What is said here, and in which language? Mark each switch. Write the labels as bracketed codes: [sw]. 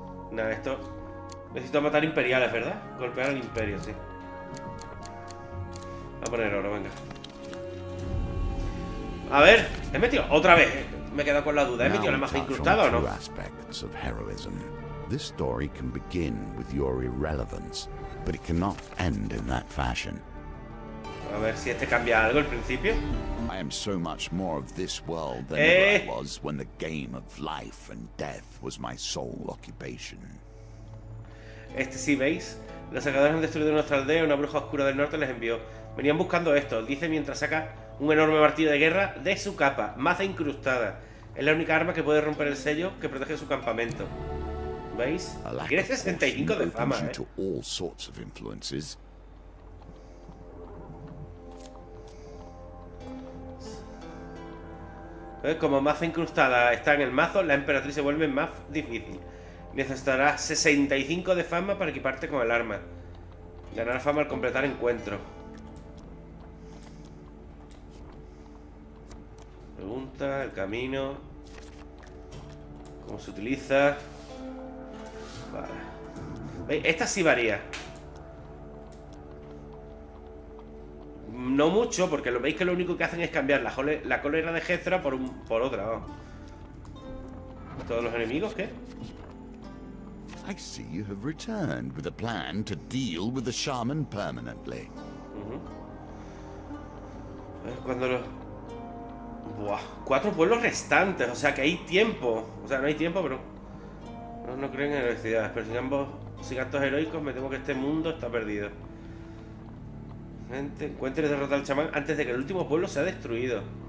[es] Nada, esto. Necesito matar imperiales, ¿verdad? Golpear al imperio, sí. Voy a poner oro, venga. A ver, he metido otra vez. Me he quedado con la duda, ¿eh? ¿Me tiene la magia incrustada o no? [en] Aspects of heroism. This story can begin with your irrelevance, but it cannot end in that fashion. [es] A ver si este cambia algo al principio. [en] I am so much more of this world than I was when the game of life and death was my sole occupation. [es] Este sí, ¿veis? Los saqueadores han destruido nuestra aldea. Una bruja oscura del norte les envió. Venían buscando esto, dice mientras saca un enorme martillo de guerra de su capa. Maza incrustada. Es la única arma que puede romper el sello que protege su campamento. ¿Veis? Tiene 65 de fama, ¿eh? [en] To all sorts of influences. [es] Como maza incrustada está en el mazo, la emperatriz se vuelve más difícil. Necesitará 65 de fama para equiparte con el arma. Ganará fama al completar encuentro. Pregunta, el camino. ¿Cómo se utiliza? Vale. Esta sí varía. no mucho, porque lo veis que lo único que hacen es cambiar la, la cólera de Hestra por, por otra. Oh. ¿Todos los enemigos qué? [en] I see you have returned with a plan to deal with the shaman permanently. [es] Cuando los... Buah, cuatro pueblos restantes, o sea que hay tiempo. O sea, no hay tiempo, pero... No, no creen en heroicidades, pero sin ambos... Sin actos heroicos, me temo que este mundo está perdido. Gente, encuentre y derrota al chamán antes de que el último pueblo sea destruido.